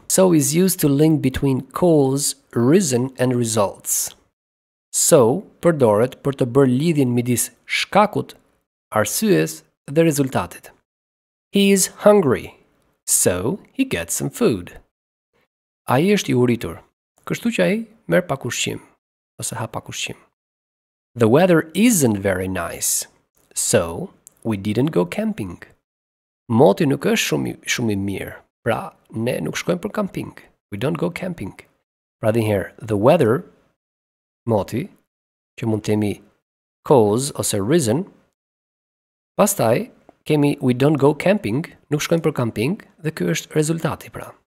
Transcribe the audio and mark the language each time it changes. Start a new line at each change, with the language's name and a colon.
English: So is used to link between cause, reason and results.
Albanian: So përdoret për të bërë lidhjen midis shkakut, arsyes dhe rezultatit.
English: He is hungry, so he gets some food.
Albanian: Ai është i uritur, kështu që ai merr pak ushqim ose ha pak ushqim.
English: The weather isn't very nice, so we didn't go camping.
Albanian: Moti nuk është shumë i mirë, pra ne nuk shkojmë për camping.
English: We don't go camping.
Albanian: Pra dinjëherë, the weather, moti, që mund t'emi cause ose reason, pastaj kemi
English: we don't go camping,
Albanian: nuk shkojmë për camping, dhe ky është rezultati pra.